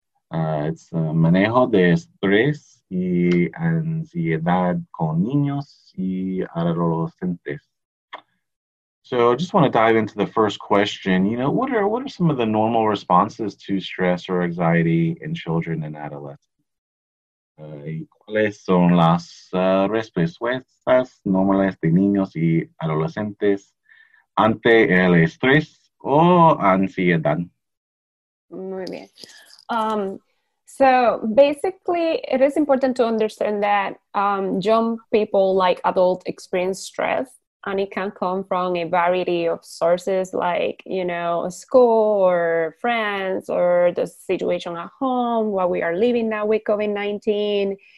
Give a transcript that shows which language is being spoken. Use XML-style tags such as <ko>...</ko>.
<en>It's</en> <es>manejo de estrés y ansiedad con niños y adolescentes.</es> <en>So I just want to dive into the first question. You know, what are some of the normal responses to stress or anxiety in children and adolescents?</en> <es>¿Cuáles son las respuestas normales de niños y adolescentes ante el estrés o ansiedad? Muy bien.</es> <en>So basically, it is important to understand that young people, like adults, experience stress, and it can come from a variety of sources, like, you know, school or friends or the situation at home, what we are living now with COVID-19.</en>